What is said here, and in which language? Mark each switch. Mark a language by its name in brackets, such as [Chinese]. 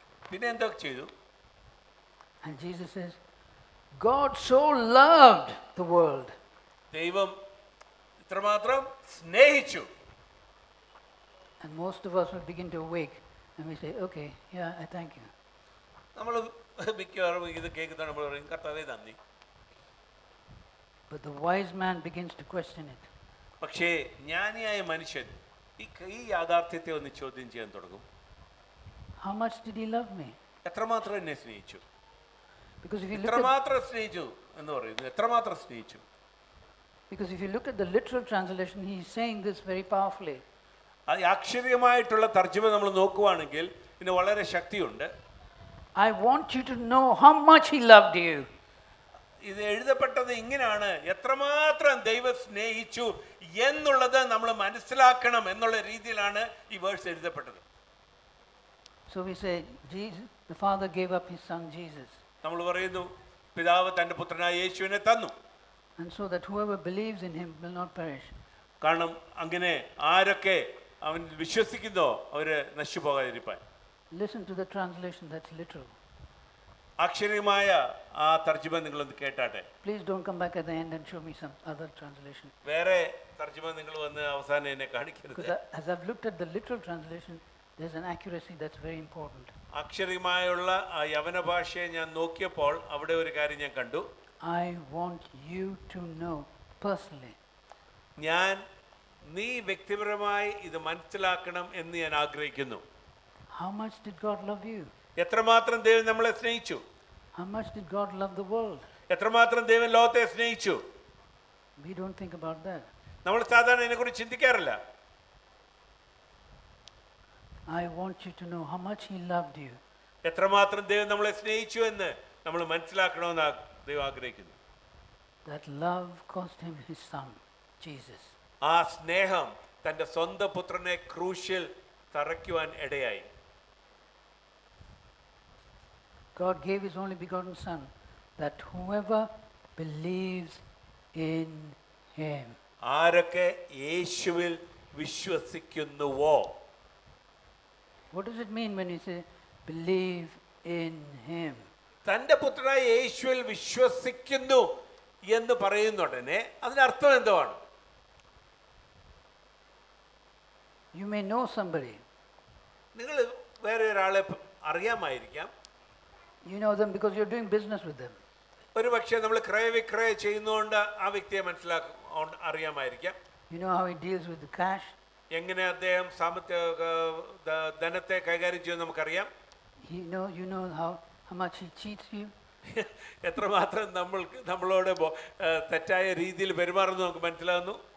[Malayalam] പിന്നെ എന്തൊക്കെ ചെയ്തു? [English] And Jesus says, God so loved the world. [Malayalam] ദൈവം ഇത്രമാത്രം സ്നേഹിച്ചു. [English] And most of us will begin to awake and we say, okay, yeah, I thank you. [Malayalam] നമ്മൾ മിക്കവാറും ഇത് കേൾക്കുന്ന നമ്മൾ പറയും, കർത്താവേ നന്ദി. [English] But the wise man begins to question it. [Malayalam] പക്ഷേ ജ്ഞാനിയായ മനുഷ്യൻ ഈ യാഥാർത്ഥ്യത്തെ ഒന്ന് ചോദ്യം ചെയ്യാൻ തുടങ്ങും. [English] How much did he love me? [Malayalam] എത്രമാത്രം എന്നെ സ്നേഹിച്ചു? [English] Because if you look at [Malayalam] എത്രമാത്രം സ്നേഹിച്ചു എന്ന് പറയുന്നു, എത്രമാത്രം സ്നേഹിച്ചു? [English] Because if you look at the literal translation, he is saying this very powerfully. [Malayalam] ആ അക്ഷരീയമായിട്ടുള്ള തർജ്ജമ നമ്മൾ നോക്കുവാണെങ്കിൽ ഇതിന് വളരെ ശക്തിയുണ്ട്. [English] I want you to know how much he loved you. [Malayalam] ഇത് എഴുതപ്പെട്ടത് ഇങ്ങനെയാണ്, എത്രമാത്രം ദൈവം സ്നേഹിച്ചു എന്നുള്ളത് നമ്മൾ മനസ്സിലാക്കണം എന്നുള്ള രീതിയിലാണ് ഈ verse എഴുതപ്പെട്ടത്. [English] So we say Jesus, the Father gave up his son Jesus. [Malayalam] നമ്മൾ പറയുന്നു, പിതാവ് തന്റെ പുത്രനായ യേശുവിനെ തന്നു. [English] And so that whoever believes in him will not perish. [Malayalam] കാരണം അങ്ങനെ ആരൊക്കെ അവൻ വിശ്വസിക്കുന്നോ അവര് നശിച്ചുപോകാതിരിപ്പാൻ. [English] Listen to the translation, that's literal. [Malayalam] അക്ഷരീയമായ ആ തർജ്ജമ നിങ്ങൾ ഒന്ന് കേട്ടാട്ടെ. [English] Please don't come back at the end and show me some other translation. [Malayalam] വേറെ തർജ്ജമ നിങ്ങൾ വന്ന് അവസാനം എന്നെ കാണിക്കരുത്. [English] As I've looked at the literal translation, there's an accuracy that's very important. [Malayalam] അക്ഷരീയമായുള്ള ആ യവന ഭാഷയെ ഞാൻ നോക്കിയപ്പോൾ അവിടെ ഒരു കാര്യം ഞാൻ കണ്ടു. [English] I want you to know personally. [Malayalam] ഞാൻ നീ വ്യക്തിപരമായി ഇത് മനസ്സിലാക്കണം എന്ന് ഞാൻ ആഗ്രഹിക്കുന്നു. [English] How much did God love you? [Malayalam] എത്രമാത്രം ദൈവം നമ്മളെ സ്നേഹിച്ചു? [English] How much did God love the world? [Malayalam] എത്രമാത്രം ദൈവം ലോകത്തെ സ്നേഹിച്ചു? [English] We don't think about that. [Malayalam] നമ്മൾ സാധാരണ ഇതിനെക്കുറിച്ച് ചിന്തിക്കാറില്ല. [English] I want you to know how much he loved you. [Malayalam] എത്രമാത്രം ദൈവം നമ്മളെ സ്നേഹിച്ചു എന്ന് നമ്മൾ മനസ്സിലാക്കണമെന്ന് ദൈവം ആഗ്രഹിക്കുന്നു. [English] That love cost him his son Jesus. [Malayalam] ആ സ്നേഹം തന്റെ സ്വന്തം പുത്രനെ ക്രൂശിൽ തറയ്ക്കുവാൻ ഇടയായി. [English] God gave his only begotten son that whoever believes in him. [Malayalam] ആരൊക്കെ യേശുവിൽ വിശ്വസിക്കുന്നുവോ. [English] What does it mean when you say believe in him? [Malayalam] തന്റെ പുത്രനായ യേശുവിൽ വിശ്വസിക്കുന്നു എന്ന് പറയുന്നുടനെ അതിന് അർത്ഥം എന്താണ്? [English] You may know somebody. [Malayalam] നിങ്ങൾ വേറെ ഒരാളെ അറിയാമായിരിക്കാം. [English] You know them because you're doing business with them. [Malayalam] ഒരു പക്ഷേ നമ്മൾ ക്രയവിക്രയ ചെയ്യുന്നതുകൊണ്ട് ആ വ്യക്തിയെ മനസ്സിലാക്കാൻ അറിയാമായിരിക്കാം. [English] You know how he deals with the cash. [Malayalam] എങ്ങനെ അദ്ദേഹം സാമ്പത്തിക ധനത്തെ കൈകാര്യം ചെയ്യുന്നു നമുക്കറിയാം. [English] You know how much he cheats you. [Malayalam] എത്രമാത്രം നമ്മളോട് തെറ്റായ രീതിയിൽ പെരുമാറുന്നു നമുക്ക് മനസ്സിലാകുന്നു.